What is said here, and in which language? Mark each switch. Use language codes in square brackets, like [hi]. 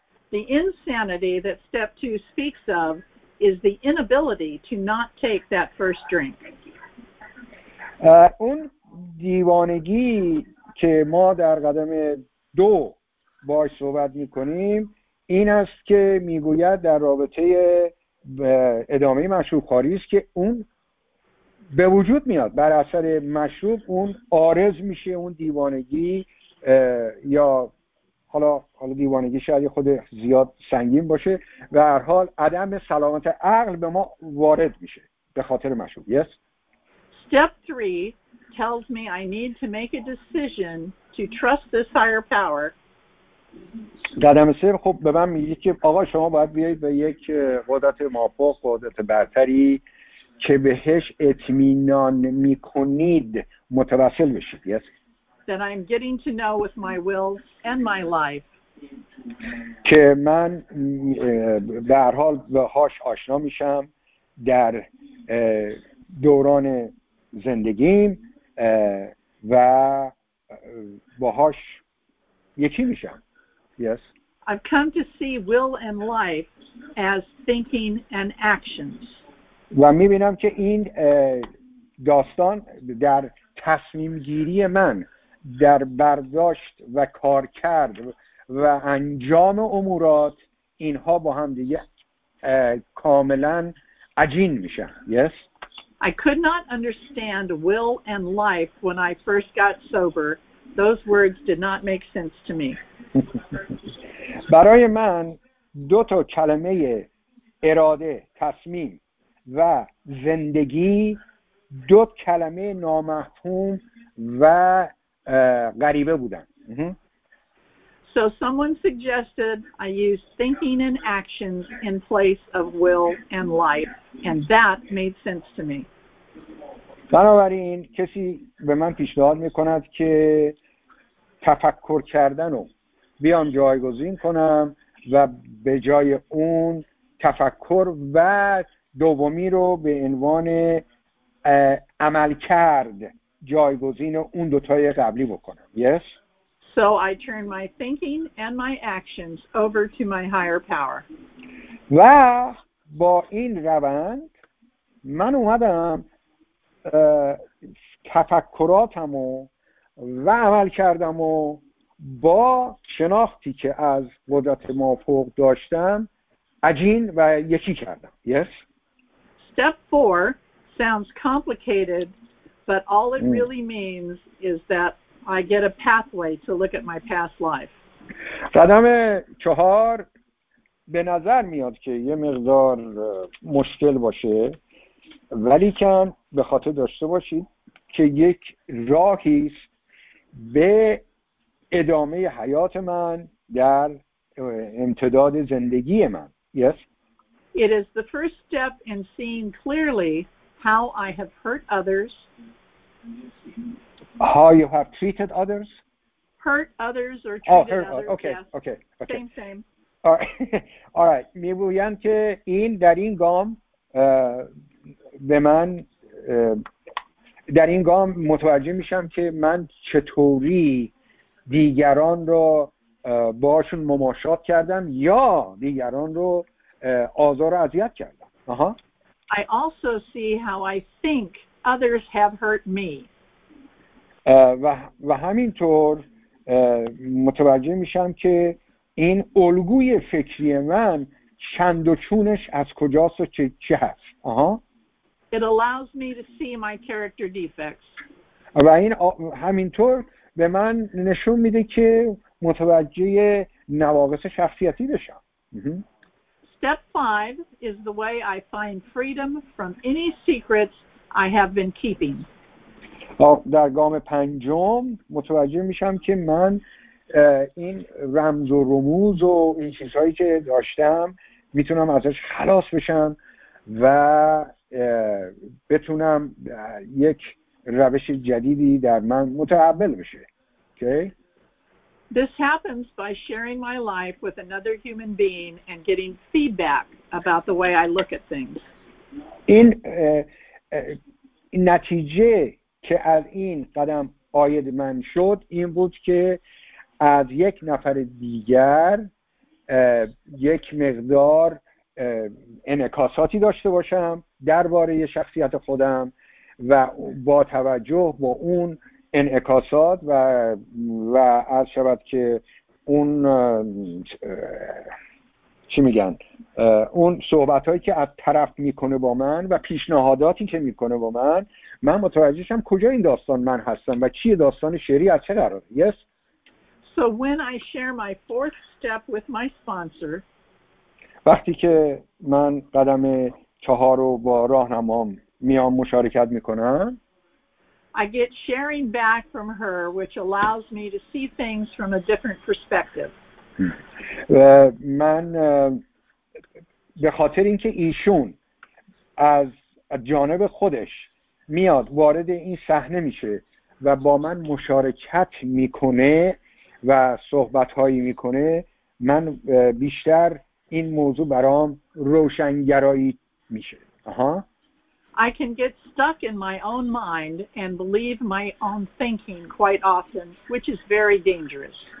[en] The insanity that step 2 speaks of is the inability to not take that first drink. [fa] اون دیوانگی که ما در قدم دو باش صحبت می‌کنیم این است که میگوید در رابطه ادامه مشروب‌خواری است که اون به وجود میاد بر اثر مشروب اون عارض میشه اون دیوانگی یا حالا دیوانگی شاید خود زیاد سنگین باشه و هر حال عدم سلامت عقل به ما وارد میشه به خاطر مشروب. [en] Yes. Step 3 tells me I need to make a decision to trust this higher power. [fa] قدم سه خب به من میگه که آقا شما باید بیایید به یک قدرت مافوق قدرت برتری که بهش اطمینان میکنید متوسل بشید. [en] Yes. Then I'm getting to know with my will and my life. [fa] که من به هر حال باهاش آشنا میشم در دوران زندگیم و باهاش یکی میشم. [en] Yes. I've come to see will and life as thinking and actions. [fa] و میبینم که این داستان در تصمیم گیری من در برداشت و کار کرد و انجام امورات اینها با هم دیگه کاملا عجین میشه. [en] Yes. I could not understand will and life when I first got sober. Those words did not make sense to me. [fa] برای من دو تا کلمه اراده، تصمیم و زندگی دو کلمه نامفهوم و غریبه بودن. [en] So someone suggested I use thinking and actions in place of will and life, and that made sense to me. [fa] بنابراین کسی به من پیشنهاد میکند که تفکر کردن رو بیام جایگزین کنم و به جای اون تفکر و دومی رو به عنوان عمل کرد جایگزین اون دوتای قبلی بکنم. [en] Yes. So I turn my thinking and my actions over to my higher power. [fa] و با این روند من اومدم تفکراتمو و عمل کردمو با شناختی که از قدرت مافوق داشتم عجین و یکی کردم. [en] Yes. Step 4 sounds complicated, but all it really means is that I get a pathway to look at my past life. [fa] قدم 4 به نظر میاد که یه مقدار مشکل باشه ولی که به خاطر داشته باشید که یک راهی است به ادامه حیات من در امتداد زندگی من. [en] Yes. It is the first step in seeing clearly how I have hurt others. How you have treated others? Hurt others or treated others? Okay. Same. All right. [fa] میگویند که این در این گام به من در این گام متوجه میشم که من چطوری دیگران رو باشون مماشات کردم یا دیگران رو آزار و اذیت کردم. [en] I also see how I think others have hurt me. [fa] و همینطور متوجه میشم که این الگوی فکری من چند و چونش از کجاست و چه هست. [en] It allows me to see my character defects. [fa] و این همینطور به من نشون میده که متوجه نواقص شخصیتی بشم. [en] Step 5 is the way I find freedom from any secrets I have been keeping. [fa] در گام پنجم متوجه میشم که من این رمز و رموز و این چیزهایی که داشتم میتونم ازش خلاص بشم و بتونم یک روش جدیدی در من متحول بشه. [en] Okay. This happens by sharing my life with another human being and getting feedback about the way I look at things. [fa] این نتیجه که از این قدم عاید من شد این بود که از یک نفر دیگر یک مقدار انعکاساتی داشته باشم درباره شخصیت خودم و با توجه با اون انعکاسات و عرض شود که اون چی میگن اون صحبت هایی که از طرف میکنه با من و پیشنهاداتی که میکنه با من من متوجه شم کجا این داستان من هستم و چیه داستان شعری از چه قراره. [en] Yes. So when I share my fourth step with my sponsor, [fa] وقتی که من قدم چهار رو با راهنمام میام مشارکت میکنم, [en] I get sharing back from her, which allows me to see things from a different perspective. [fa] من به خاطر اینکه ایشون از جانب خودش میاد وارد این صحنه میشه و با من مشارکت میکنه و صحبت هایی میکنه, من بیشتر این موضوع برام روشنگرایی میشه. [en] I can get stuck in my own mind and believe my own thinking quite often, which is very dangerous.